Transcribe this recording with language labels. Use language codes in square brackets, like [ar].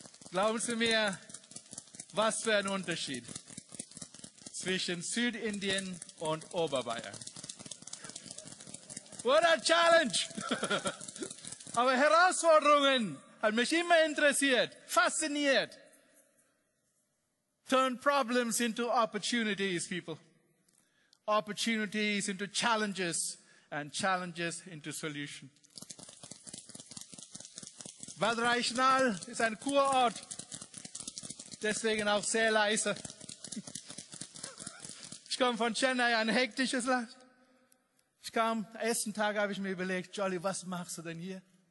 [de] Glauben Sie mir, was für ein Unterschied zwischen Südindien und Oberbayern. [en] What a challenge! [de] Aber Herausforderungen haben mich immer interessiert, fasziniert. [en] Turn problems into opportunities, people. Opportunities into challenges and challenges into solutions. [de] Bad Reichenhall ist ein Kurort, deswegen auch sehr leise. Ich komme von Chennai, ein hektisches Land. Ich kam, ersten Tag habe ich mir überlegt, Jolly, was machst du denn hier?